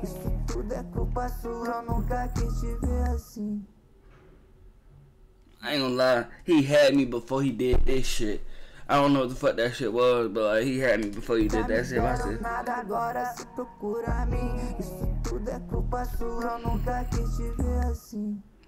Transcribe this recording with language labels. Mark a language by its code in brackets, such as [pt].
[pt] Isso tudo é culpa sua, eu nunca quis te ver assim. [en] I ain't gonna lie, he had me before he did this shit. I don't know what the fuck that shit was, but he had me before he did that shit. I said, [pt] nada agora se procura a mim. Isso tudo é culpa sua, eu nunca quis te ver assim.